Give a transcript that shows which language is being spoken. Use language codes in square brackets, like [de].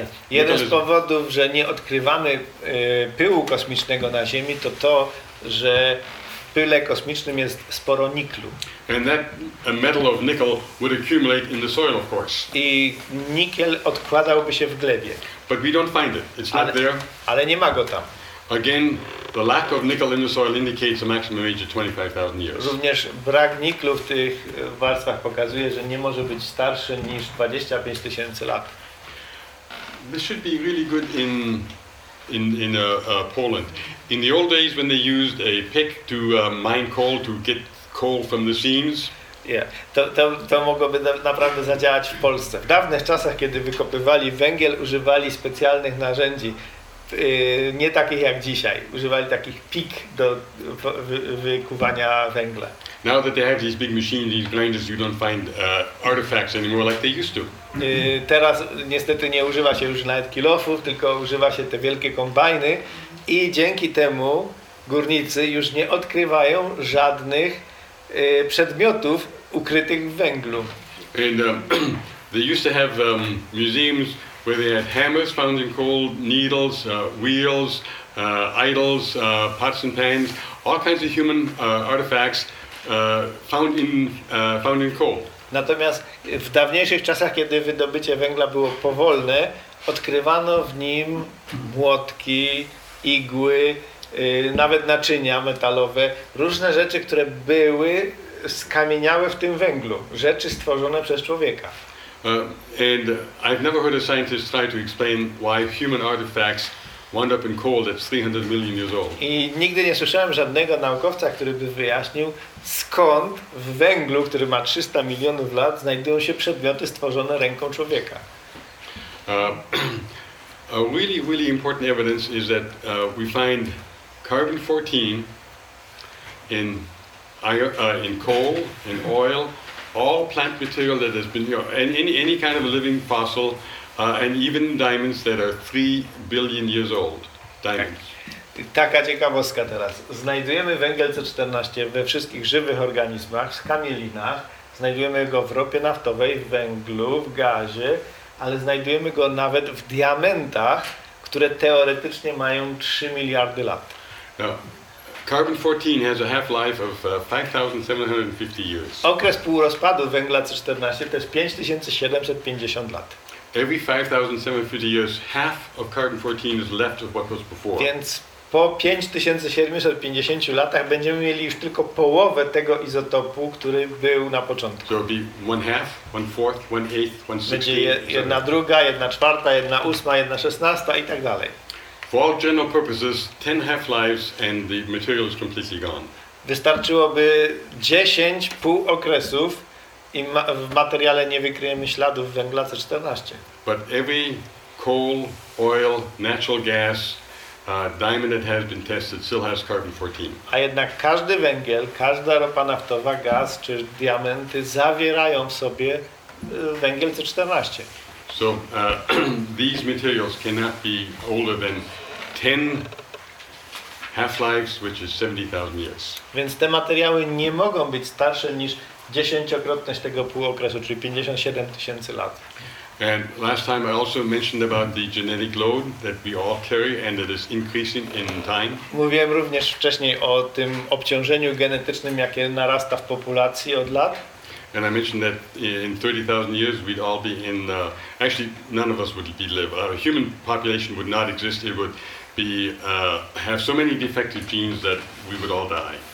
[pl] Jeden z powodów, że nie odkrywamy pyłu kosmicznego na Ziemi, to, że w pyle kosmicznym jest sporo niklu. [en] And that a metal of nickel would accumulate in the soil, of course. [pl] I nikiel odkładałby się w glebie. [en] But we don't find it. It's not there. [pl] Ale nie ma go tam. [en] Again, the lack of nickel in the soil indicates a maximum age of 25,000 years. [pl] Również brak niklu w tych warstwach pokazuje, że nie może być starszy niż 25 tysięcy lat. [en] This should be really good in Poland. In the old days, when they used a pick to mine coal to get coal from the seams. Yeah. [pl] To mogłoby naprawdę zadziałać w Polsce. W dawnych czasach, kiedy wykopywali węgiel, używali specjalnych narzędzi. Nie takich jak dzisiaj. Używali takich pik do wykuwania węgla. [en] Now that they have these big machines, these grinders, you don't find artifacts anymore like they used to. [pl] Teraz niestety nie używa się już nawet kilofów, tylko używa się te wielkie kombajny i dzięki temu górnicy już nie odkrywają żadnych przedmiotów ukrytych w węglu. [en] And they used to have museums where they had hammers found in coal, needles, wheels, idols, pots and pans, all kinds of human artifacts found in coal. [pl] Natomiast w dawniejszych czasach, kiedy wydobycie węgla było powolne, odkrywano w nim młotki, igły, nawet naczynia metalowe, różne rzeczy, które były skamieniałe w tym węglu, rzeczy stworzone przez człowieka. [en] And I've never heard a scientist try to explain why human artifacts wind up in coal that's 300 million years old. [pl] I nigdy nie słyszałem żadnego naukowca, który by wyjaśnił, skąd w węglu, który ma 300 milionów lat, znajdują się przedmioty stworzone ręką człowieka. [en] A really, really important evidence is that we find carbon 14 in coal, in oil, all plant material that has been, you know, any kind of a living fossil, and even diamonds that are 3 billion years old. Diamonds. [pl] Taka ciekawostka teraz. Znajdujemy węgiel C14 we wszystkich żywych organizmach, w kamielinach. Znajdujemy go w ropie naftowej, w węglu, w gazie, ale znajdujemy go nawet w diamentach, które teoretycznie mają 3 miliardy lat. No. [en] Carbon 14 has a half-life of 5750 years. [pl] Okres półrozpadu węgla C14 to jest 5750 lat. [en] Every 5750 years, half of carbon 14 is left of what was before. [pl] Więc po 5750 latach będziemy mieli już tylko połowę tego izotopu, który był na początku. [en] So it'll be one half, one fourth, one eighth, one sixteenth. [pl] Będzie jedna druga, jedna czwarta, jedna ósma, jedna szesnasta i tak dalej. [en] For all general purposes, 10 half-lives and the material is completely gone. [pl] Wystarczyłoby 10 pół okresów i w materiale nie wykryjemy śladów węgla C14. [en] But every coal, oil, natural gas, diamond that has been tested still has carbon 14. [pl] A jednak każdy węgiel, każda ropa naftowa, gaz czy diamenty zawierają w sobie węgiel C14. [en] So these materials cannot be older than 10 half-lives, which is 70,000 years. [pl] Więc te materiały nie mogą być starsze niż 10-krotność tego półokresu, czyli 57,000 lat. [en] And last time I also mentioned about the genetic load that we all carry and that is increasing in time. Mówiłem również wcześniej o tym obciążeniu genetycznym, jakie narasta w populacji od lat. And I mentioned that in 30,000 years we'd all be in actually none of us would be live. A human population would not exist. It would be have so many defective genes that we would all die.